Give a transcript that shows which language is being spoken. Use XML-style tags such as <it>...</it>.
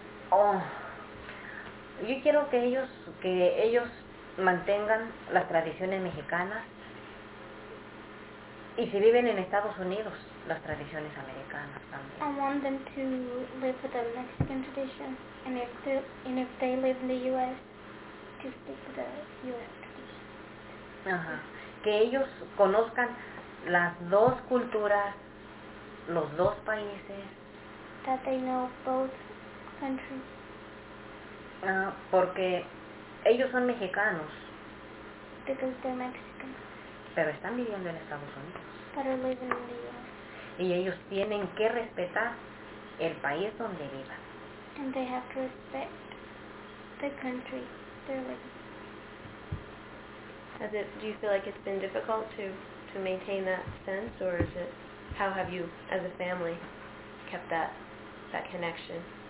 <es>Oh, yo quiero que ellos mantengan las tradiciones mexicanas, y si viven en Estados Unidos, las tradiciones americanas también.</es> <en>I want them to live with the Mexican tradition, and if they live in the U.S., to stick with the U.S. tradition. Ajá.</en> <es>Que ellos conozcan las dos culturas, los dos países.</es> <en>That they know both countries.</en> <es>Porque ellos son mexicanos.</es> <en>Because they're Mexican.</en> <es>Pero están viviendo en Estados Unidos.</es> <en>But are living in the U.S.</en> <es>Y ellos tienen que respetar el país donde vivan.</es> <en>And they have to respect the country they're living in. Do you feel like it's been difficult to maintain that sense, or is it? How have you, as a family, kept that connection?</en>